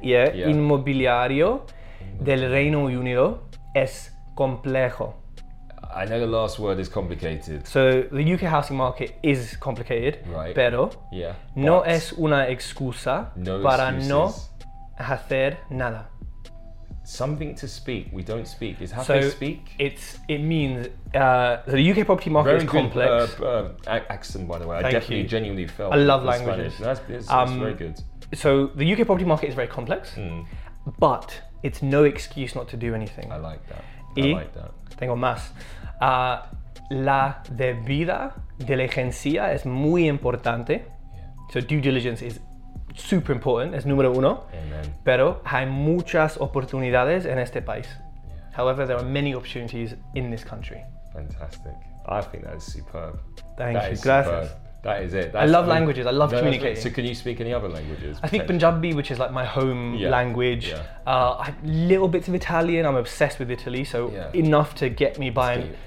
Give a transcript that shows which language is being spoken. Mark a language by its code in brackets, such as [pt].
[es] Inmobiliario del Reino Unido es complejo. [en] I know the last word is complicated. So the UK housing market is complicated, right? [es] Pero no es una excusa no para [en] excuses. [es] No hacer nada. [en] Something to speak, we don't speak. Is how so they speak? It means, the UK property market is complex. Accent, by the way. Thank you. I genuinely felt. I love languages. That's very good. So the UK property market is very complex, but it's no excuse not to do anything. I like that. I like that. [es] Tengo más. La debida diligencia es muy importante. [en] Yeah. So due diligence is super important, [es] es número uno. [en] Amen. [es] Pero hay muchas oportunidades en este país. [en] Yeah. However, there are many opportunities in this country. Fantastic. I think that is superb. Thank you. Gracias. That is it. I love languages. I love communicating. So can you speak any other languages? I speak Punjabi, which is like my home language. Yeah. Little bits of Italian. I'm obsessed with Italy. So enough to get me by.